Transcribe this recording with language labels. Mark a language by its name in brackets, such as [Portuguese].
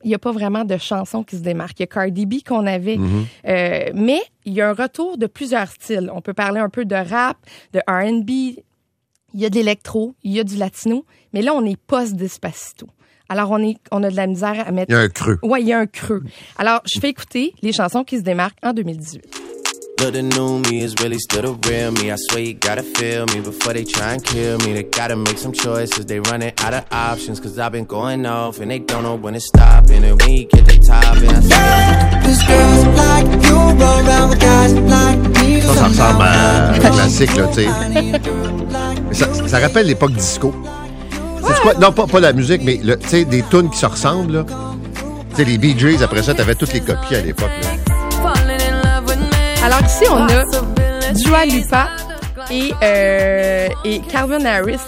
[French] Il n'y a pas vraiment de chansons qui se démarquent. Il y a Cardi B qu'on avait. Mais il y a un retour de plusieurs styles. On peut parler un peu de rap, de R&B. Il y a de l'électro, il y a du latino. Mais là, on est post-Despacito. Alors, on a de la misère à mettre... Il y a un creux. Ouais, il y a un creux. Alors, je fais écouter les chansons qui se démarquent en 2018. [English] But the new me is really still the real me. I swear you gotta feel me before they try and kill me. They gotta make some choices. They running out of options. Cause I've been going off and they don't know when it's stopping. And when you get the top and I say... Yeah, this girl's like you run around with guys like me. [French] Ça ressemble à un classique, là, t'sais. ça rappelle l'époque disco. Quoi? Non, pas la musique, mais tu sais, des tunes qui se ressemblent. Tu sais, les Bee Gees, après ça, t'avais toutes les copies à l'époque. Là. Alors, ici, on a Dua Lipa et Calvin Harris.